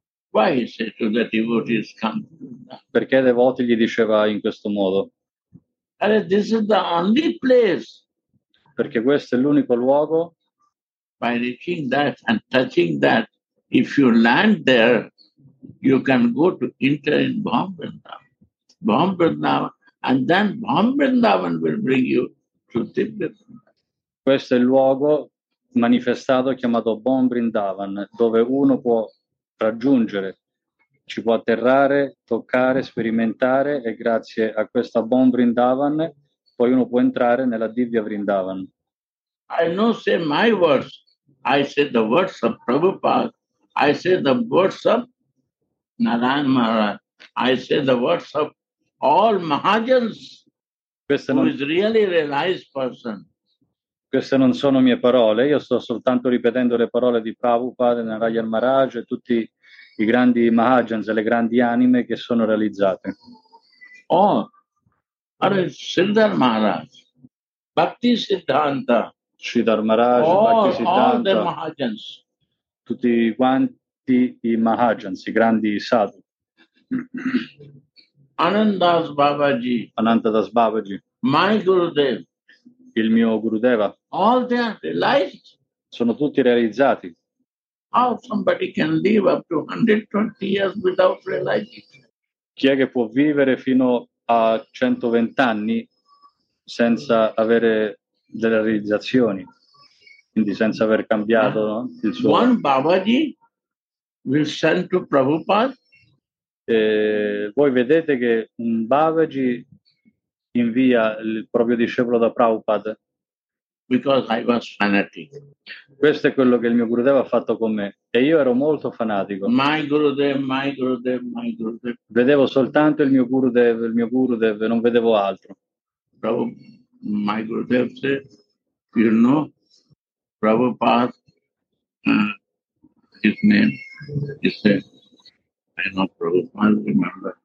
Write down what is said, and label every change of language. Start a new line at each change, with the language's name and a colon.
English: Why he said to the devotees, come to Vrindavan?
Italian: Perché i devoti gli diceva in questo modo.
English: And this is the only place.
Italian: Perché questo è l'unico luogo.
English: By reaching that and touching that, if you land there, you can go to enter in Bhambrindavan, and then Bhambrindavan will bring you to Tibet.
Italian: Questo è il luogo manifestato chiamato Bhambrindavan, dove uno può raggiungere, ci può atterrare, toccare, sperimentare, e grazie a questa Bhambrindavan poi uno può entrare nella Divya Vrindavan.
English: I don't say my words. I say the words of Prabhupada. I say the words of Narayan Maharaj. I say the words of all Mahajans, who is really realized person.
Italian: Queste non sono mie parole. Io sto soltanto ripetendo le parole di Prabhupada, Narayan Maharaj e tutti i grandi Mahajans, le grandi anime che sono realizzate.
English: Oh, Siddhar Maharaj, Bhakti Siddhanta. Siddhar Maharaj, Bhakti Siddhanta,
Italian: tutti quanti i Mahajans, i grandi sadhu. Anandas Babaji, Anandas Babaji,
English: my Gurudev,
Italian: il mio Gurudeva,
English: all they are realized.
Italian: Sono tutti realizzati.
English: How somebody can live up to 120 years without realizing?
Italian: Chi è che può vivere fino a 120 anni senza avere delle realizzazioni, quindi senza aver cambiato, no, il suo.
English: One Babaji will send to Prabhupada.
Italian: Voi vedete che un Babaji invia il proprio discepolo da Prabhupada.
English: Because I was fanatic.
Italian: Questo è quello che il mio Gurudev ha fatto con me e io ero molto fanatico.
English: My Gurudev.
Italian: Vedevo soltanto il mio Gurudev, non vedevo altro.
English: Prabhupada. My Gurudev said, you know, Prabhupada, his name, he said, I know Prabhupada, remember.